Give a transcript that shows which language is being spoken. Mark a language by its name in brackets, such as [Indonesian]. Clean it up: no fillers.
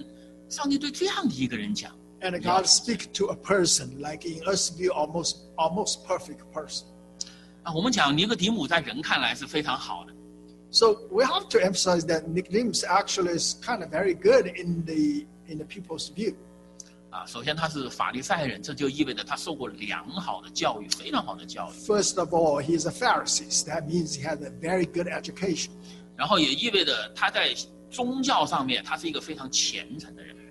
[Chinese] 上帝对一个在人看来,哇,完美的人,哇,最好的人,上帝对这样的一个人讲。 [English] And God speak to a person, like in earth view, almost perfect person. [Chinese] 我们讲尼哥底母在人看来是非常好的。 [English] So we have to emphasize that Nicodemus actually is kind of very good in the people's view. [Chinese] 首先他是法利赛人，这就意味着他受过良好的教育，非常好的教育。 [English] First of all, he is a Pharisee. That means he has a very good education. [Chinese] 然后也意味着他在宗教上面，他是一个非常虔诚的人。